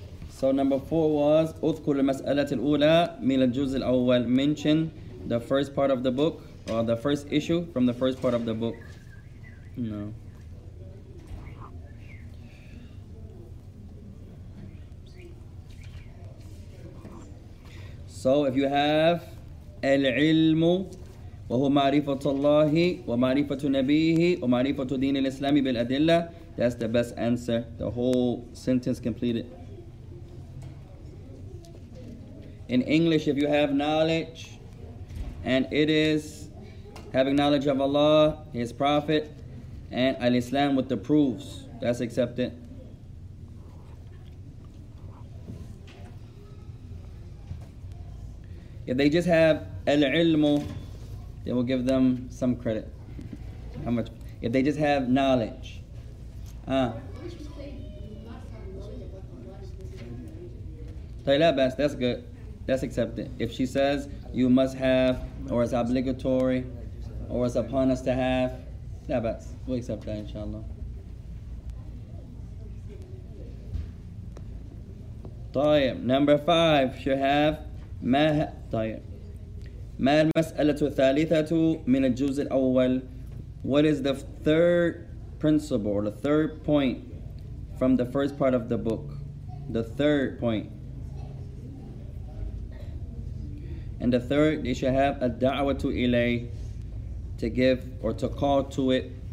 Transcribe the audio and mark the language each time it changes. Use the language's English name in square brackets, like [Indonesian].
[English] So number four was [Arabic] اذكر المسألة الأولى من الجزء الأول. [English] Mention the first part of the book, or the first issue from the first part of the book. No. So if you have [Arabic] العلم وهو معرفة الله ومعرفة نبيه ومعرفة دين الإسلام بالأدلة, [English] that's the best answer. The whole sentence completed. In English, if you have knowledge, and it is having knowledge of Allah, His Prophet, and Al-Islam with the proofs, that's accepted. If they just have Al-Ilmu, they will give them some credit. How much? If they just have knowledge. That's good. That's accepted. If she says you must have, or it's obligatory, or it's upon us to have, that's we accept that, inshallah. [Arabic] طيب, [English] number five, should have [Arabic] ما طيب ما المسألة الثالثة من الجزء الأول. [English] What is the third principle or the third point from the first part of the book? The third point. And the third, they should have a da'wah to ilay, to give or to call to it.